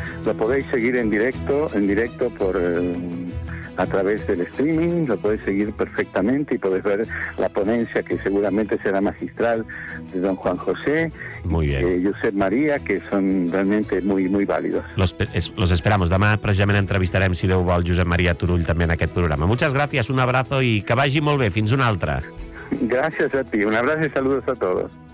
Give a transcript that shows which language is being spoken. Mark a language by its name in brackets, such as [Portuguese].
[Spanish] Lo podéis seguir en directo por a través del streaming, lo podéis seguir perfectamente y podéis ver la ponencia, que seguramente será magistral, de don Juan José. Muy bien. Josep María, que son realmente muy, muy válidos. Los esperamos. [Catalan] Demà precisament entrevistarem, si Déu vol, Josep María Turull també en aquest programa. [Spanish] Muchas gracias, un abrazo, [Catalan] y que vagi molt bé. Fins una altra. [Spanish] Gracias a ti. Un abrazo y saludos a todos.